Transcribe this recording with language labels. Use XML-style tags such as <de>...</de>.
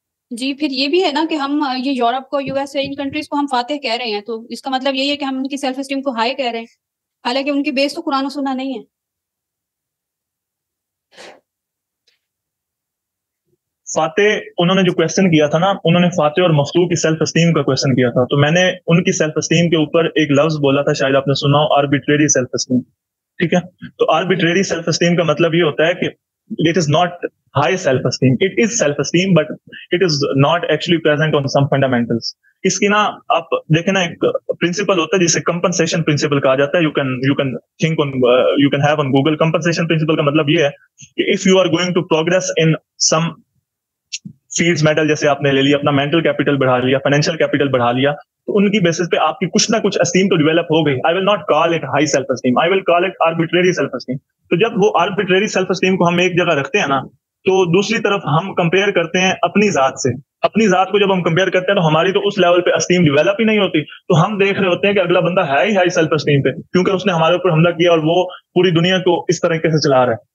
<hi>जी फिर ये भी है ना कि हम ये यूरोप को, यूएस इन कंट्रीज को हम फातह कह रहे हैं, तो इसका मतलब यही है कि हम उनकी सेल्फ एस्टीम को हाई कह रहे हैं, हालांकि उनकी बेस तो कुरान और सुन्ना नहीं है। फाते, उन्होंने जो क्वेश्चन किया था ना, उन्होंने फाते और मखलूक की सेल्फ एस्टीम का क्वेश्चन किया था, तो मैंने उनकी सेल्फ एस्टीम के ऊपर एक लफ्ज बोला था, शायद आपने सुना हो, आर्बिट्रेरी सेल्फ एस्टीम। ठीक है, तो आर्बिट्रेरी सेल्फ एस्टीम का मतलब ये होता है कि</hi> <en>it is not high self-esteem, it is self-esteem but it is not actually present on some fundamentals.</en> <hi>इसकी ना आप देखे ना, एक principle होता है जिसे compensation principle कहा जाता है,</hi> <en>you can think on you can have on Google.</en> <hi>Compensation principle का मतलब ये है कि</hi> <en>if you are going to progress in some fields,</en> <hi>metal जैसे आपने ले लिया, अपना mental capital बढ़ा लिया, financial capital बढ़ा लिया, तो उनकी basis पे आपकी कुछ ना कुछ esteem तो develop हो गई।</hi> <en>I will not call it high self-esteem, I will call it arbitrary self-esteem.</en> <hi>तो जब वो आर्बिट्रेरी सेल्फ एस्टीम को हम एक जगह रखते हैं ना, तो दूसरी तरफ हम कंपेयर करते हैं अपनी जात से, अपनी जात को जब हम कंपेयर करते हैं तो हमारी तो उस लेवल पे एस्टीम डेवलप ही नहीं होती। तो हम देख रहे होते हैं कि अगला बंदा है ही हाई सेल्फ एस्टीम पे, क्योंकि उसने हमारे ऊपर हमला किया और वो पूरी दुनिया को इस तरीके से चला रहा है।</hi>